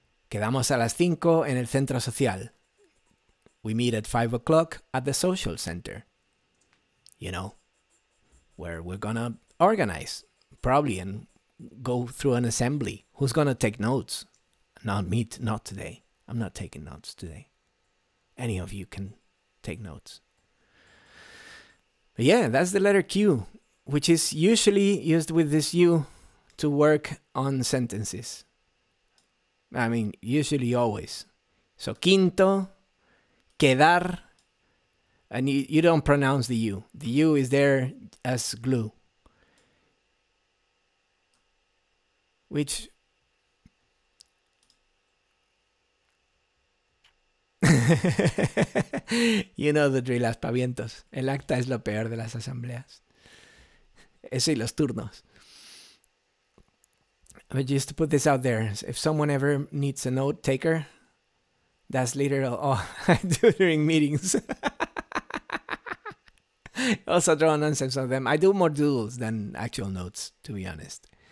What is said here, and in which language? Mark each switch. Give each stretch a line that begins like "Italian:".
Spanish: Quedamos a las cinco en el centro social.
English: We meet at 5 o'clock at the social center. You know, where we're gonna organize, probably, and go through an assembly. Who's gonna take notes? Not today. I'm not taking notes today. Any of you can take notes. But yeah, that's the letter Q, which is usually used with this U to work on sentences. I mean, usually always. So quinto, quedar, and you don't pronounce the U. The U is there as glue. Which... you know the drill, aspavientos.
Spanish: El acta es lo peor de las asambleas. Eso y los turnos.
English: But just to put this out there, if someone ever needs a note taker, that's literally all I do during meetings. Also draw nonsense on them. I do more doodles than actual notes, to be honest.